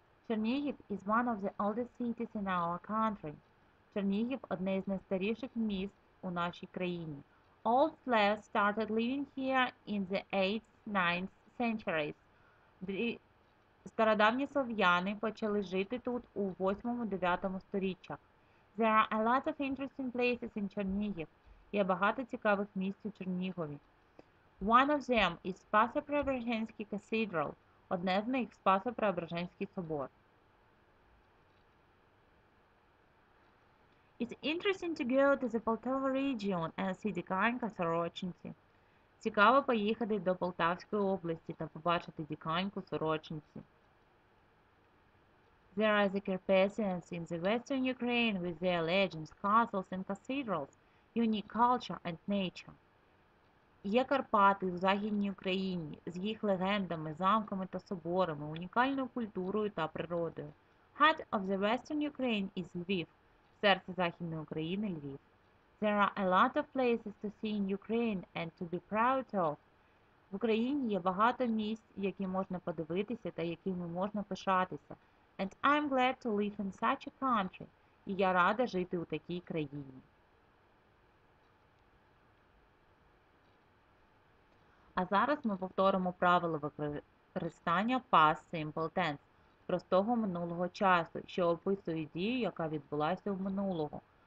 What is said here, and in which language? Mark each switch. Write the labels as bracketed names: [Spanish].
[English] Чернігів is one of the oldest cities in our country. [Ukrainian] Чернігів – одне з найстаріших міст у нашій країні. [English] Old slaves started living here in the 8th-9th centuries. [Ukrainian] Стародавні слов'яни почали жити тут у 8-9 століттях. [English] There are a lot of interesting places in Чернігів. [Ukrainian] Є багато цікавих місць у Чернігові. [English] One of them is Спасо-Преображенський Cathedral. [Ukrainian] Одне з них – Спасо-Преображенський собор. [English] It's interesting to go to the Poltava region and see Диканька Сорочинці. [Ukrainian] Цікаво поїхати до Полтавської області та побачити Диканьку Сорочинці. [English] There are the Carpathians in the western Ukraine with their legends, castles and cathedrals, unique culture and nature. [Ukrainian] Є Карпати в Західній Україні з їх легендами, замками та соборами, унікальною культурою та природою. [English] Heart of the Western Ukraine is Lviv. [Ukrainian] Серце Західної України – Львів. [English] There are a lot of places to see in Ukraine and to be proud of. [Ukrainian] В Україні є багато місць, які можна подивитися та якими можна пишатися. [English] And I'm glad to live in such a country. [Ukrainian] І я рада жити у такій країні. А зараз ми повторимо правила використання past simple tense, простого минулого часу, що описує дію, яка відбулася в минулого.